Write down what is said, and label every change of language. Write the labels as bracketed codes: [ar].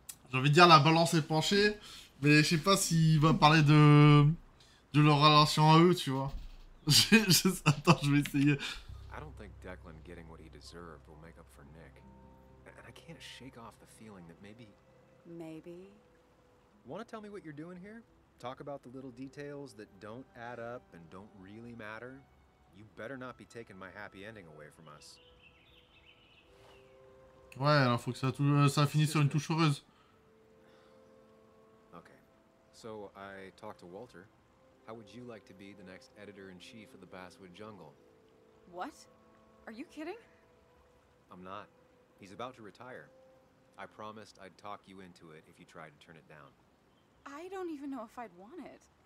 [fr] J'ai envie de dire la balance est penchée, mais je sais pas s'il va parler de leur relation à eux, tu vois. Attends, je vais essayer. [en] I don't think Declan getting what he deserved will make up for Nick. And I can't shake off the feeling that maybe... Maybe? Want to tell me what you're doing here? Talk about the little details that don't add up and don't really matter? You better not be taking my happy ending away from us. [fr] Ouais, alors faut que ça finisse sur une touche heureuse. [en] Okay. So, I talked to Walter. How would you like to be the next editor-in-chief of the Basswood Jungle? What? Are you kidding? I'm not. He's about to retire. I promised I'd talk you into it if you tried to turn it down. I don't even know if I'd want it.